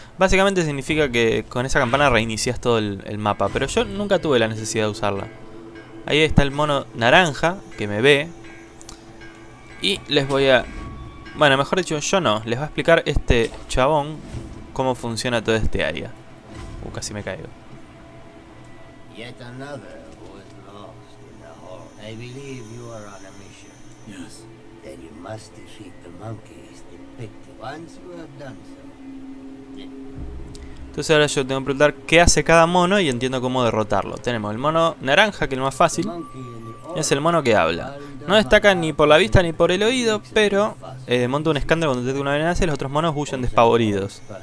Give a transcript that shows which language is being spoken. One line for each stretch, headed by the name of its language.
Spanish: Básicamente significa que con esa campana reinicias todo el mapa. Pero yo nunca tuve la necesidad de usarla. Ahí está el mono naranja, que me ve. Y les voy a... Bueno, mejor dicho, yo no. Les voy a explicar este chabón cómo funciona toda esta área. Casi me caigo.
English: Yet another who is lost in the hall. I believe you are on a mission. Yes. Then you must defeat the monkeys depicted. Once you have done so.
Spanish: Entonces ahora yo tengo que preguntar qué hace cada mono y entiendo cómo derrotarlo. Tenemos el mono naranja, que es el más fácil. Es el mono que habla. No destaca ni por la vista ni por el oído, pero monta un escándalo cuando detecta una amenaza y los otros monos huyen despavoridos.